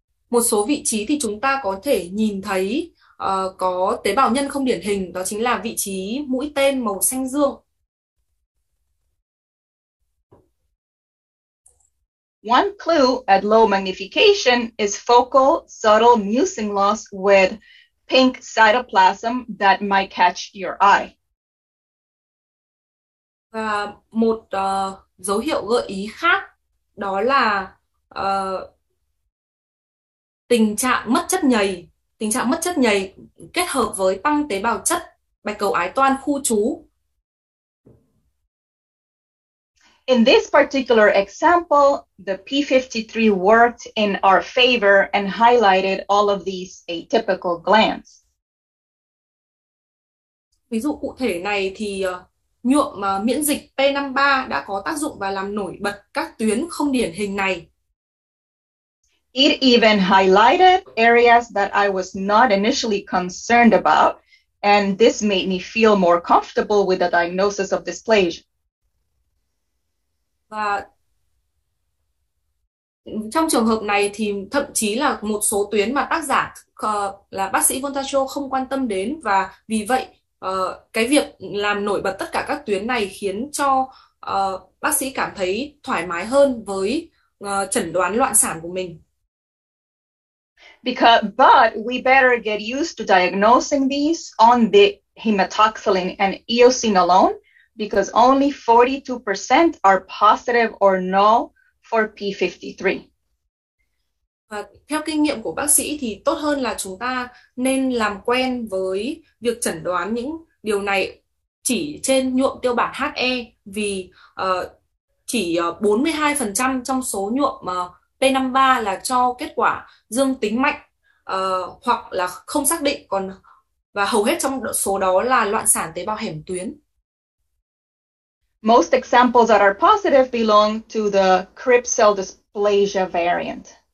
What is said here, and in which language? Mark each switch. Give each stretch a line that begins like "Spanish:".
Vietnamese: Một số vị trí thì chúng ta có thể nhìn thấy có tế bào nhân không điển hình, đó chính là vị trí mũi tên màu xanh dương.
English: One clue at low magnification is focal subtle mucin loss with pink cytoplasm that might catch your eye.
Vietnamese: Và một dấu hiệu gợi ý khác đó là tình trạng mất chất nhầy kết hợp với tăng tế bào chất bạch cầu ái toan khu trú.
English: In this particular example, the P53 worked in our favor and highlighted all of these atypical glands.
Vietnamese: Ví dụ cụ thể này thì nhuộm miễn dịch P53 đã có tác dụng và làm nổi bật các tuyến không điển hình này.
English: It even highlighted areas that I was not initially concerned about, and this made me feel more comfortable with the diagnosis of dysplasia.
Vietnamese: Và trong trường hợp này thì thậm chí là một số tuyến mà tác giả là bác sĩ Vontacho không quan tâm đến, và vì vậy cái việc làm nổi bật tất cả các tuyến này khiến cho bác sĩ cảm thấy thoải mái hơn với chẩn đoán loạn sản của mình.
English: But we better get used to diagnosing these on the hematoxylin and eosin alone, because only 42% are positive or null for P53.
Vietnamese: Và theo kinh nghiệm của bác sĩ thì tốt hơn là chúng ta nên làm quen với việc chẩn đoán những điều này chỉ trên nhuộm tiêu bản HE, vì chỉ 42% trong số nhuộm P53 là cho kết quả dương tính mạnh hoặc là không xác định, còn và hầu hết trong số đó là loạn sản tế bào hẻm tuyến.
English: Most examples that are positive belong to the crypt cell dysplasia variant.